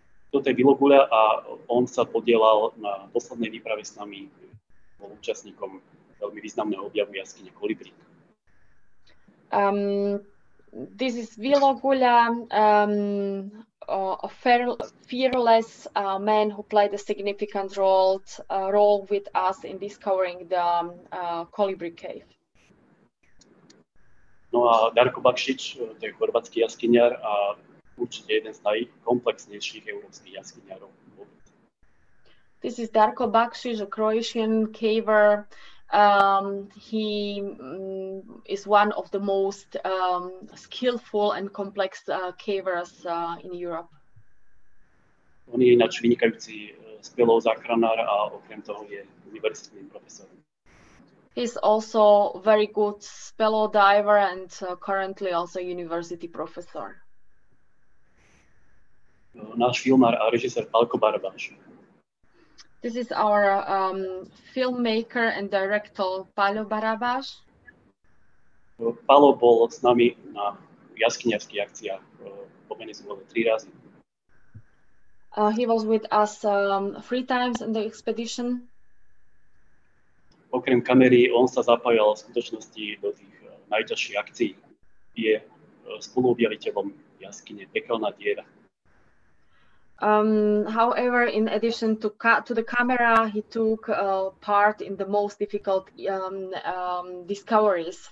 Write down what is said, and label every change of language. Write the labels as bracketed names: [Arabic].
[Slovak] Toto je Bilogula a on sa podielal na poslednej výprave s nami, bol účastníkom veľmi významného objavu jaskyne Kolibrík. [English] This is Vilogula, fearless man who played a significant role with us in discovering the Colibri cave. [Slovak] No a Darko Bakšić, to je chorvatský jaskyniar a určite jeden z najkomplexnejších európskych jaskyniarov. [English] This is Darko Bakšić, a Croatian caver. He is one of the most skillful and complex cavers in Europe. [Slovak] On je ináč vynikajúci speleozáchranár a okrem toho je univerzitným profesorom. [English] He's also a very good spelo diver and currently also university professor. [Slovak] Náš filmár a režisér Palko Barbáš. [English] This is our filmmaker and director Paľo Barabáš. [Slovak] Paľo bol s nami na jaskyniarských akciách po Venezuele 3 razy. [English] He was with us 3 times in the expedition. [Slovak] Okrem kamery on sa zapájal v skutočnosti do tých najťažších akcií. Je spoluobjaviteľom jaskyne Pekelná diera. [English] However, in addition to the camera, he took part in the most difficult discoveries.